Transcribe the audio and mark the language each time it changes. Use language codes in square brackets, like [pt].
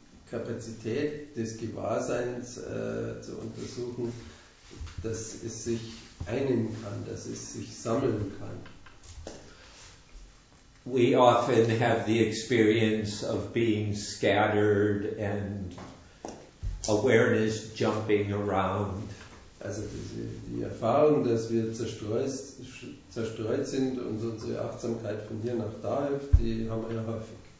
[de] Kapazität des Gewahrseins zu untersuchen, dass es sich einen kann, dass es sich sammeln kann. [en] We often have the experience of being scattered and awareness jumping around. [de] Also die Erfahrung, dass wir zerstreut sind und unsere Achtsamkeit von hier nach da hilft, die haben wir ja häufig.